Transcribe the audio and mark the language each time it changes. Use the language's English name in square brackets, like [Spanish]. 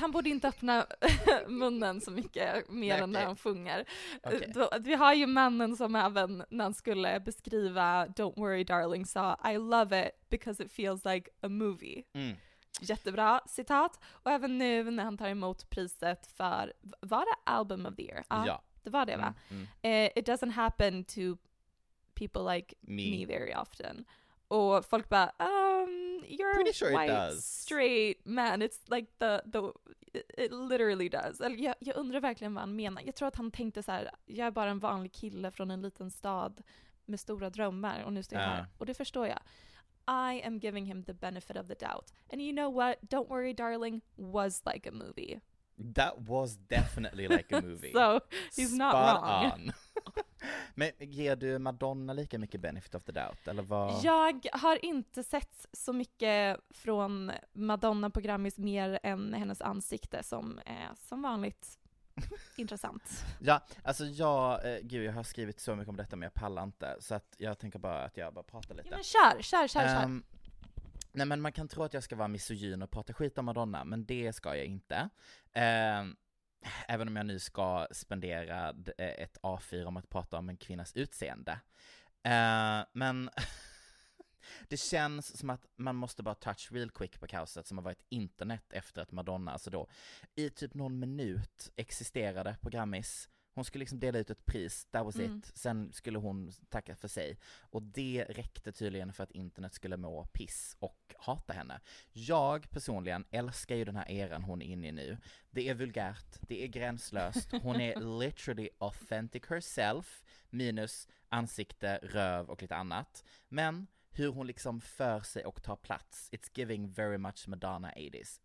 [Swedish] Han borde inte öppna munnen så mycket mer än när han sjunger. Okay. Vi har ju mannen som även när han skulle beskriva Don't Worry Darling sa [English] I love it because it feels like a movie. Mm. [Swedish] Jättebra citat. Och även nu när han tar emot priset för, var det Album of the Year? Ja. Det var det, va? [English] It doesn't happen to people like me very often. [Swedish] Och folk bara, [English] you're pretty sure white, it does. Straight man. It's like it literally does. [Swedish] Eller jag undrar verkligen vad han menar. Jag tror att han tänkte så här, jag är bara en vanlig kille från en liten stad med stora drömmar och nu står jag här. Och det förstår jag. [English] I am giving him the benefit of the doubt. And you know what? Don't Worry Darling was like a movie. That was definitely like a movie. So he's spot not wrong. [Swedish] On. Men ger du Madonna lika mycket [English] benefit of the doubt? [Swedish] Eller vad? Jag har inte sett så mycket från Madonna på Grammys mer än hennes ansikte som är som vanligt Intressant. Ja, alltså jag, gud jag har skrivit så mycket om detta men jag pallar inte. Så att jag tänker bara att jag bara pratar lite. Ja, men kör. Nej men man kan tro att jag ska vara misogyn och prata skit om Madonna, men det ska jag inte. Även om jag nu ska spendera ett A4 om att prata om en kvinnas utseende. Men det känns som att man måste bara [English] touch real quick [Swedish] på kaoset som har varit internet efter att Madonna, alltså då, i typ någon minut existerade på Grammys. Hon skulle liksom dela ut ett pris, [English] that was it. [Swedish] Sen skulle hon tacka för sig. Och det räckte tydligen för att internet skulle må piss och hata henne. Jag personligen älskar ju den här eran hon är inne i nu. Det är vulgärt, det är gränslöst. Hon är [English] literally authentic herself. [Swedish] Minus ansikte, röv och lite annat. Men hur hon liksom för sig och tar plats. [English] It's giving very much Madonna 80s.